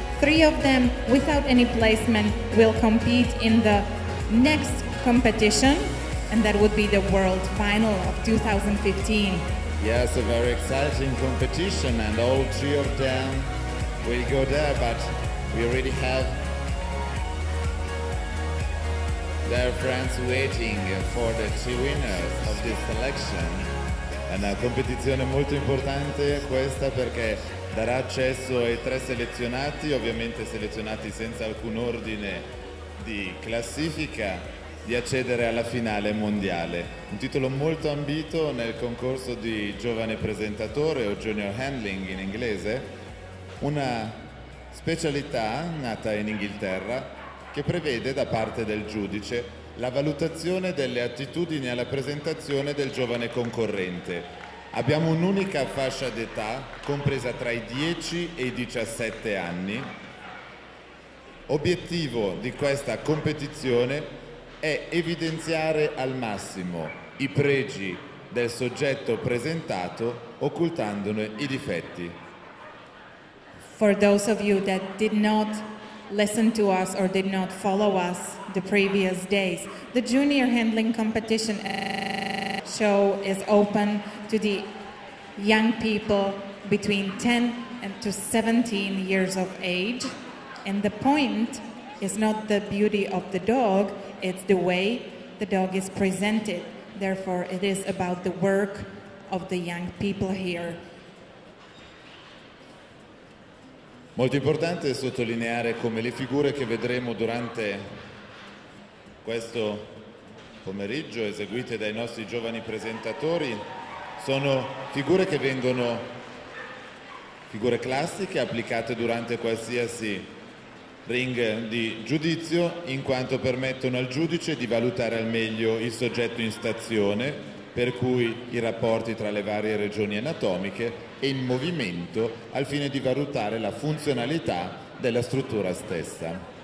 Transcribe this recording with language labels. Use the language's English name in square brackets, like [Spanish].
[English] Three of them, without any placement, will compete in the next competition, and that would be the World Final of 2015. Yes, a very exciting competition, and all three of them will go there, but we already have their friends waiting for the three winners of this selection. [Italian] È una competizione molto importante questa, perché darà accesso ai tre selezionati, ovviamente selezionati senza alcun ordine di classifica, di accedere alla finale mondiale. Un titolo molto ambito nel concorso di giovane presentatore o junior handling in inglese, una specialità nata in Inghilterra che prevede da parte del giudice la valutazione delle attitudini alla presentazione del giovane concorrente. Abbiamo un'unica fascia d'età compresa tra i 10 e i 17 anni. Obiettivo di questa competizione è evidenziare al massimo i pregi del soggetto presentato, occultandone i difetti. [English] For those of you that did not listen to us or did not follow us the previous days, the junior handling competition show is open to the young people between 10 and to 17 years of age. And the point is not the beauty of the dog, it's the way the dog is presented. Therefore, it is about the work of the young people here. [Italian] Molto importante sottolineare come le figure che vedremo durante questo pomeriggio, eseguite dai nostri giovani presentatori, sono figure che vengono, figure classiche applicate durante qualsiasi ring di giudizio, in quanto permettono al giudice di valutare al meglio il soggetto in stazione, per cui i rapporti tra le varie regioni anatomiche e in movimento, al fine di valutare la funzionalità della struttura stessa.